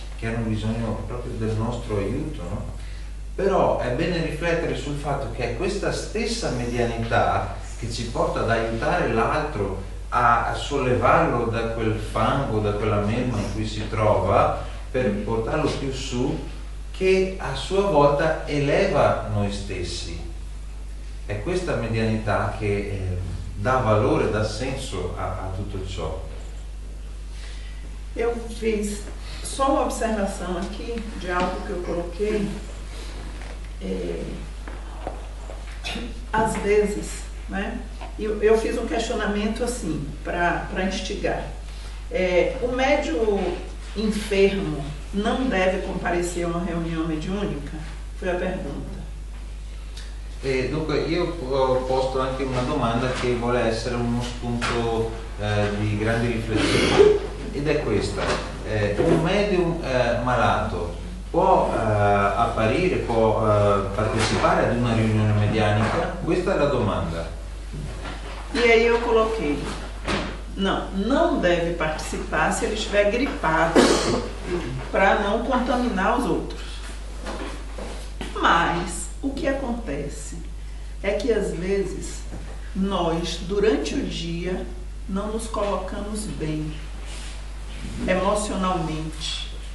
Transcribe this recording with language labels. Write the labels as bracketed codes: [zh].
[it] Che hanno bisogno proprio del nostro aiuto, no? Però è bene riflettere sul fatto che è questa stessa medianità che ci porta ad aiutare l'altro a sollevarlo da quel fango, da quella melma in cui si trova, per portarlo più su, che a sua volta eleva noi stessi. È questa medianità che dà valore, dà senso a tutto ciò. [pt] Eu fiz só uma observação aqui de algo que eu coloquei. Às vezes, né? Eu fiz um questionamento assim, para instigar. O médium enfermo não deve comparecer a uma reunião mediúnica? Foi a pergunta. [it] Dunque io ho posto anche una domanda che vuole essere uno spunto di grande riflessione ed è questa, un medium malato può apparire, può partecipare ad una riunione medianica? Questa è la domanda. [pt] E aí io coloquei, [it] non deve partecipare [pt] se ele estiver gripato para non contaminare os outros. Mas o que acontece? É que às vezes nós, durante o dia, não nos colocamos bem emocionalmente.